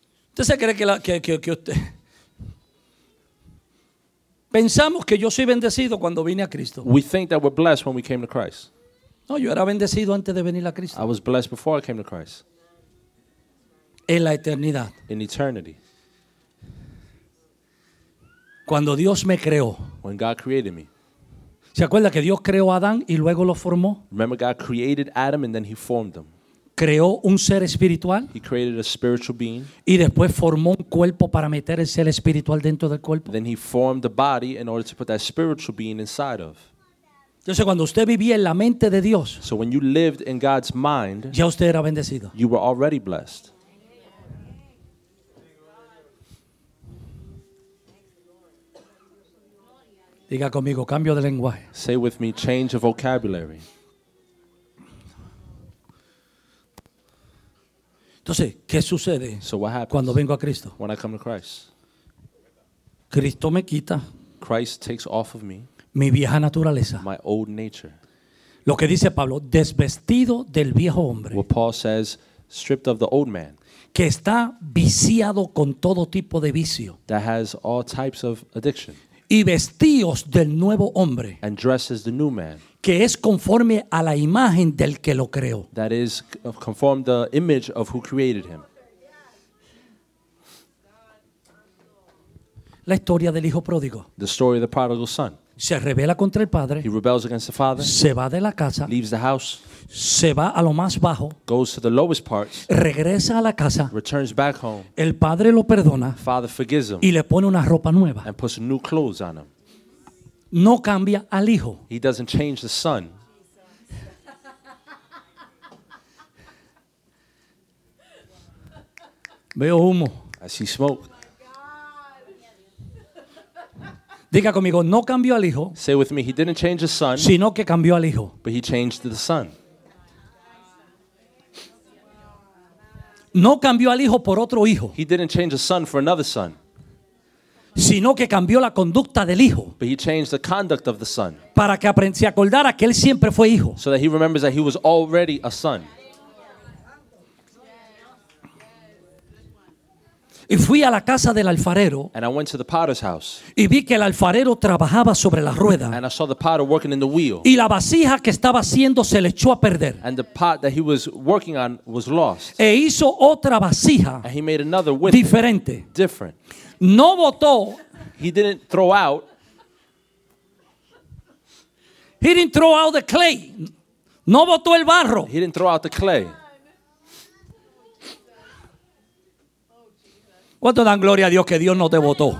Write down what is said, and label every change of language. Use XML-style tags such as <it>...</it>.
<es>¿Usted se cree que la, que usted... Pensamos que yo soy bendecido cuando vine a Cristo.</es> <en>We think that we're blessed when we came to Christ.</en> <es>No, yo era bendecido antes de venir a Cristo.</es> <en>I was blessed before I came to Christ.</en> <es>En la eternidad.</es> <en>In eternity.</en> <es>Cuando Dios me creó.</es> <en>When God created me.</en> <es>¿Se acuerda que Dios creó a Adán y luego lo formó?</es> <en>Remember God created Adam and then he formed him.</en> <es>Creó un ser espiritual.</es> <en>He created a spiritual being.</en> <es>Y después formó un cuerpo para meter el ser espiritual dentro del cuerpo.</es> <en>Then he formed the body in order to put that spiritual being inside of.</en> <es>Entonces cuando usted vivía en la mente de Dios.</es> <en>So when you lived in God's mind.</en> <es>Ya usted era bendecido.</es> <en>You were already blessed.</en> <es>Diga conmigo, cambio de lenguaje.</es> <en>Say with me, change of vocabulary.</en> <es>Entonces, ¿qué sucede</es> <en>so what happens</en> <es>cuando vengo a Cristo?</es> <en>When I come to Christ.</en> <es>Cristo me quita.</es> <en>Christ takes off of me.</en> <es>Mi vieja naturaleza.</es> <en>My old nature.</en> <es>Lo que dice Pablo, desvestido del viejo hombre.</es> <en>What Paul says, stripped of the old man.</en> <es>Que está viciado con todo tipo de vicio.</es> <en>That has all types of addiction.</en> <es>Y vestidos del nuevo hombre.</es> <en>And dresses the new man.</en> <es>Que es conforme a la imagen del que lo creó.</es> <en>That is conform the image of who created him.</en> <es>La historia del hijo pródigo.</es> <en>The story of the prodigal son.</en> <es>Se rebela contra el padre.</es> <en>He rebels against the father.</en> <es>Se va de la casa.</es> <en>Leaves the house.</en> <es>Se va a lo más bajo.</es> <en>Goes to the lowest parts.</en> <es>Regresa a la casa.</es> <en>Returns back home.</en> <es>El padre lo perdona.</es> <en>Father forgives him.</en> <es>Y le pone una ropa nueva.</es> <en>And puts new clothes on him.</en> <es>No cambia al hijo.</es> <en>He doesn't change the son.</en> <es>Veo humo.</es> <en>I see smoke.</en> <es>Diga conmigo, no cambió al hijo.</es> <en>Say with me, he didn't change the son.</en> <es>Sino que cambió al hijo.</es> <en>But he changed the son.</en> <es>No cambió al hijo por otro hijo.</es> <en>He didn't change the son for another son.</en> <es>Sino que cambió la conducta del hijo.</es> <en>But he changed the conduct of the son.</en> <es>Para que aprendiese a acordar que él siempre fue hijo.</es> <en>So that he remembers that he was already a son.</en> <es>Y fui a la casa del alfarero.</es> <en>And I went to the potter's house.</en> <es>Y vi que el alfarero trabajaba sobre la rueda.</es> <en>And I saw the potter working in the wheel.</en> <es>Y la vasija que estaba haciendo se le echó a perder.</es> <en>And the pot that he was working on was lost.</en> <es>E hizo otra vasija.</es> <en>And he made another with</en> <es>diferente.</es> <en>It. Different.</en> <es>No botó.</es> <en>He didn't throw out. He didn't throw out the clay.</en> <es>No botó el barro.</es> <en>He didn't throw out the clay.</en> <es>¿Cuánto dan gloria a Dios que Dios no te botó?</es>